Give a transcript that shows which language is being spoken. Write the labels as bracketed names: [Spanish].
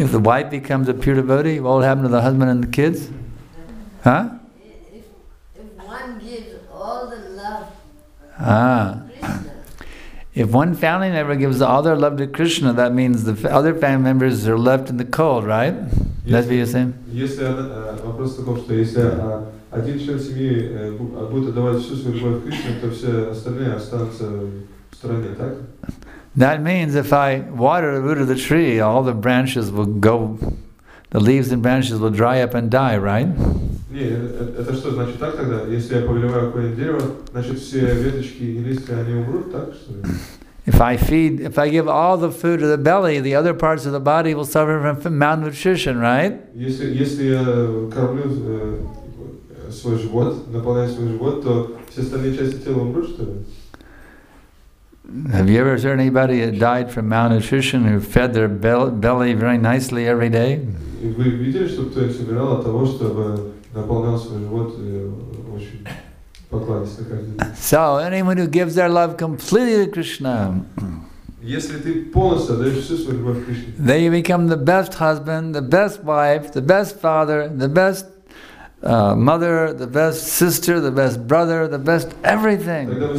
[English] If the wife becomes a pure devotee, what will happen to the husband and the kids? Huh? If one gives all the love to Krishna, if one family member gives all their love to Krishna, that means the other family members are left in the cold, right? That's what you're saying? [Russian] Yes, вопрос таков, что если один член семьи будет отдавать всю свою любовь Кришне, то все остальные останутся в стороне, так? [English] That means if I water the root of the tree, all the branches will go, the leaves and branches will dry up and die, right? [Russian] Нет, это что значит так тогда? Если я поливаю какое-нибудь дерево, значит все веточки и листья они умрут, так что ли? [English] If I give all the food to the belly, the other parts of the body will suffer from malnutrition, right? [Russian] Если я кормлю свой живот, наполняю свой живот, то все остальные части тела умрут, что ли? [English] Have you ever heard anybody that died from malnutrition who fed their belly very nicely every day? [Russian] Вы видели, чтобы кто-нибудь умирал от того, чтобы наполнял свой живот очень [English] So anyone who gives their love completely to Krishna, then you become the best husband, the best wife, the best father, the best mother, the best sister, the best brother, the best everything.